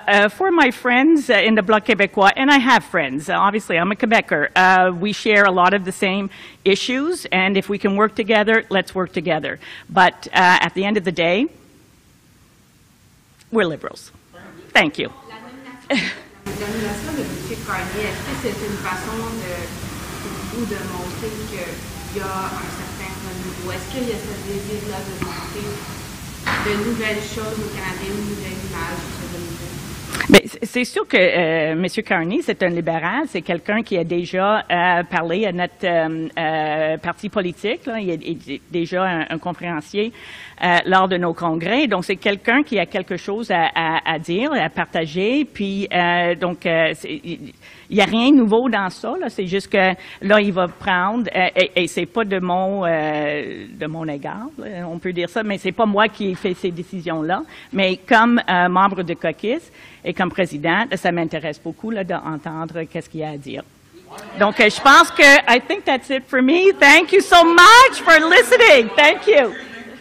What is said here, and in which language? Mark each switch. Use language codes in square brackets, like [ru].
[en] For my friends in the Bloc Québécois, and I have friends, obviously I'm a Quebecer, we share a lot of the same issues. And if we can work together, let's work together. But at the end of the day, we're liberals. Thank you. [fr] L'annulation de M. Carney, est-ce que c'est une façon de montrer qu'il y a un certain renouveau? Est-ce qu'il y a ce désir-là de montrer de nouvelles choses au Canada, une nouvelle image sur le monde? Mais c'est sûr que M. Carney, c'est un libéral, c'est quelqu'un qui a déjà parlé à notre parti politique, là. Il est déjà un conférencier lors de nos congrès. Donc, c'est quelqu'un qui a quelque chose à dire, à partager. Puis, donc, il n'y a rien de nouveau dans ça, là. C'est juste que là, il va prendre, et c'est pas de mon égard, là, on peut dire ça, mais c'est pas moi qui fais ces décisions-là. Mais comme membre de caucus, et comme présidente, ça m'intéresse beaucoup là, d'entendre qu'est-ce qu'il y a à dire. Donc, je pense que, [en] I think that's it for me. Thank you so much for listening. Thank you.